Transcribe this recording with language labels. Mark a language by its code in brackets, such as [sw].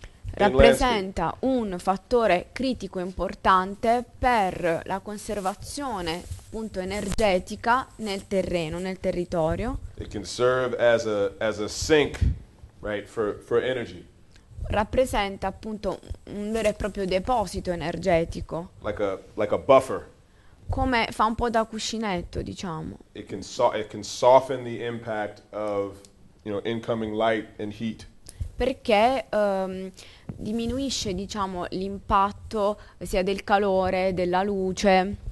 [it] Rappresenta un fattore critico importante per la conservazione, appunto, energetica nel terreno, nel territorio. [en] It can serve as a sink, right, for energy. [it] Rappresenta, appunto, un vero e proprio deposito energetico. [en] Like a buffer. [it] Come fa un po' da cuscinetto, diciamo. [en] It can soften the impact of, you know, incoming light and heat. [it] Perché diminuisce, diciamo, l'impatto sia del calore, della luce.